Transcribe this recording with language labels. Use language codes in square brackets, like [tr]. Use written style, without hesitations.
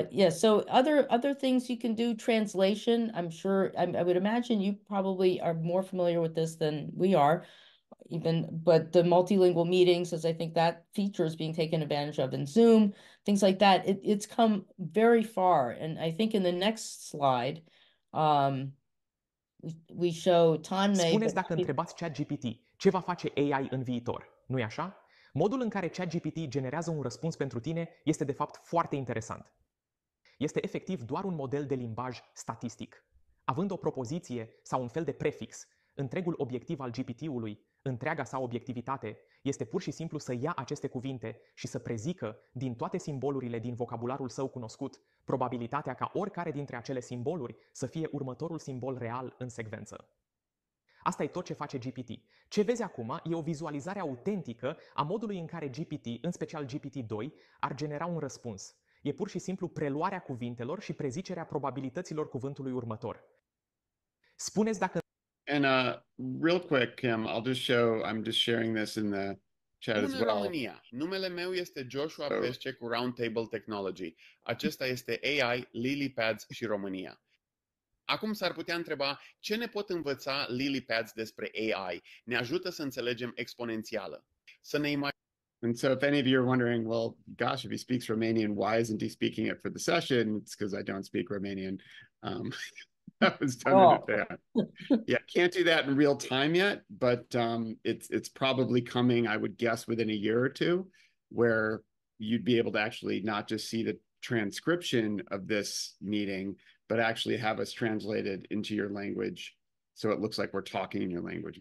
[en] So other things you can do, translation, I'm sure, I would imagine you probably are more familiar with this than we are, even, but the multilingual meetings, as I think that feature is being taken advantage of in Zoom, things like that, it's come very far. And I think in the next slide, we show Tanmay. [ro] Spuneți dacă întrebați ChatGPT, ce va face AI în viitor, nu-i așa? Modul în care ChatGPT generează un răspuns pentru tine este de fapt foarte interesant. Este efectiv doar un model de limbaj statistic. Având o propoziție sau un fel de prefix, întregul obiectiv al GPT-ului, întreaga sa obiectivitate, este pur și simplu să ia aceste cuvinte și să prezică, din toate simbolurile din vocabularul său cunoscut, probabilitatea ca oricare dintre acele simboluri să fie următorul simbol real în secvență. Asta e tot ce face GPT. Ce vezi acum e o vizualizare autentică a modului în care GPT, în special GPT-2, ar genera un răspuns. E pur și simplu preluarea cuvintelor și prezicerea probabilităților cuvântului următor. Spuneți dacă... [en] And real quick, Kim, I'll just show, I'm just sharing this in the chat as well. [ro] România. Numele meu este Joshua Pesce cu Roundtable Technology. Acesta este AI, Lily Pads și România. Acum s-ar putea întreba ce ne pot învăța Lily Pads despre AI. Ne ajută să înțelegem exponențială. Să ne imaginăm. [en] And so if any of you are wondering, well, gosh, if he speaks Romanian, why isn't he speaking it for the session? It's because I don't speak Romanian. That was done in advance. Yeah, can't do that in real time yet, but it's probably coming, I would guess, within a year or two, where you'd be able to actually not just see the transcription of this meeting, but actually have us translate it into your language so it looks like we're talking in your language.